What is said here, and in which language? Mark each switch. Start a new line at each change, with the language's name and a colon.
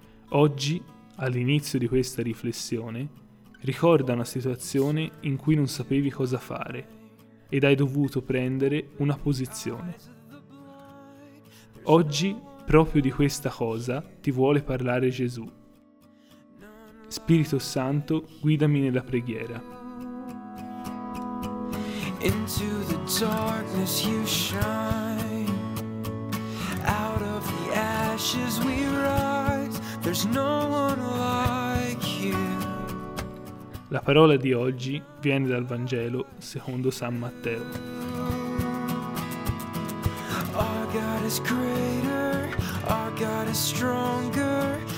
Italian: Oggi, all'inizio di questa riflessione, ricorda una situazione in cui non sapevi cosa fare ed hai dovuto prendere una posizione. Oggi, proprio di questa cosa, ti vuole parlare Gesù. Spirito Santo, guidami nella preghiera.
English: Into the darkness you shine, out of the ashes we rise, there's no one like you.
Italian: La parola di oggi viene dal Vangelo secondo San Matteo.
English: Our God is greater, our God is stronger,